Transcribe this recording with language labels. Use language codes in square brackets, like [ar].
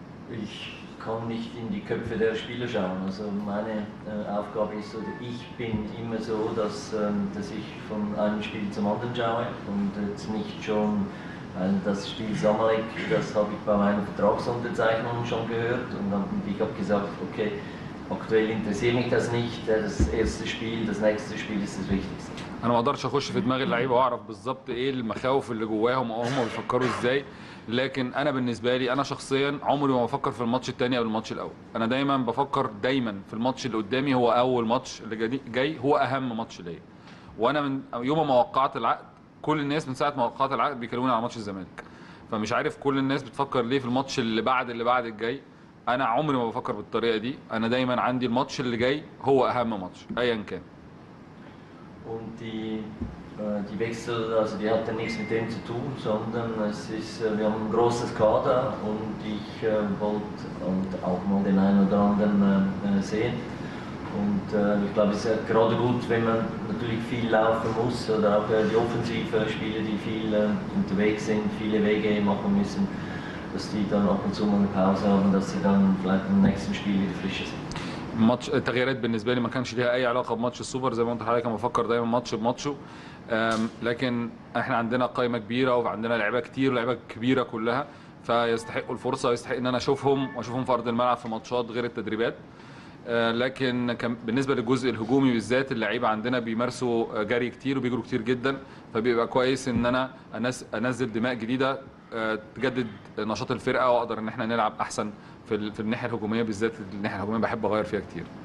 [de] Ich kann nicht in die Köpfe der Spieler schauen. Also meine Aufgabe ist, oder ich bin immer so, dass ich von einem Spiel zum anderen schaue und jetzt nicht schon. Das Spiel Samalek, das habe ich bei meiner Vertragsunterzeichnung schon gehört und ich habe gesagt, okay, aktuell interessiert mich das nicht, das erste Spiel, das nächste Spiel ist das Wichtigste. [ar] أنا ما أقدرش أخش في دماغ اللعيبة وأعرف بالظبط إيه المخاوف اللي جواهم أو هما بيفكروا إزاي، لكن أنا بالنسبة لي أنا شخصيًا عمري ما بفكر في الماتش التاني أو الماتش الأول، أنا دايمًا بفكر دايمًا في الماتش اللي قدامي، هو أول ماتش اللي جاي هو أهم ماتش ليا. وأنا من يوم ما وقعت العقد كل الناس من ساعة ما وقعت العقد بيكلموني على ماتش الزمالك، فمش عارف كل الناس بتفكر ليه في الماتش اللي بعد اللي بعد الجاي. أنا عمري ما بفكر بالطريقة دي، أنا دايمًا عندي الماتش اللي جاي هو أهم ماتش أيًا كان. [de] Und die Wechsel, also die hatten nichts mit dem zu tun, sondern es ist, wir haben ein großes Kader und ich wollte auch mal den einen oder anderen sehen. Und ich glaube, es ist ja gerade gut, wenn man natürlich viel laufen muss oder auch die offensiven Spieler, die viel unterwegs sind, viele Wege machen müssen, dass die dann ab und zu mal eine Pause haben, dass sie dann vielleicht im nächsten Spiel wieder frischer sind. [ar] ماتش التغييرات بالنسبة لي ما كانش ليها أي علاقة بماتش السوبر، زي ما قلت لحضرتك أنا بفكر دايما ماتش بماتشه، لكن إحنا عندنا قائمة كبيرة وعندنا لعيبة كتير ولعيبة كبيرة كلها، فيستحقوا الفرصه، يستحق ان انا اشوفهم واشوفهم في ارض الملعب في ماتشات غير التدريبات. لكن بالنسبه للجزء الهجومي بالذات، اللعيبه عندنا بيمارسوا جري كتير وبيجروا كتير جدا، فبيبقى كويس ان انا انزل دماء جديده تجدد نشاط الفرقه، واقدر ان احنا نلعب احسن في الناحيه الهجوميه، بالذات الناحيه الهجوميه بحب اغير فيها كتير.